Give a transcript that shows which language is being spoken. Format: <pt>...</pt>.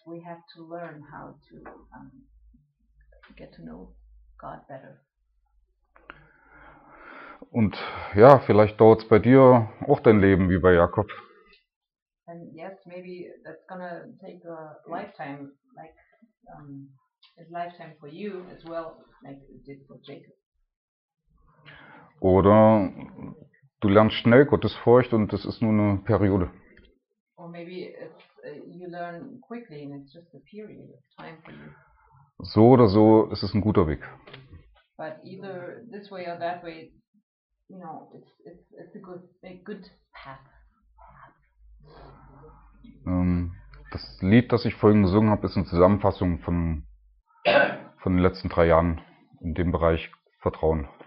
<en>We have to learn how to get to know God better.</en> <de>Und ja, vielleicht dauert's bei dir auch dein Leben wie bei Jakob.</de> <en>And yes, maybe that's gonna take a lifetime, like a lifetime for you as well, like it did for Jacob.</en> <de>Oder du lernst schnell Gottes Furcht und das ist nur eine Periode.</de> <en>Or maybe you learn quickly and it's just a period of time for you.</en> <de>So oder so ist es ein guter Weg.</de> <en>But either this way or that way, you know, it's a good path.</en> <de>Das Lied, das ich vorhin gesungen habe, ist eine Zusammenfassung von den letzten 3 Jahren in dem Bereich Vertrauen.</de>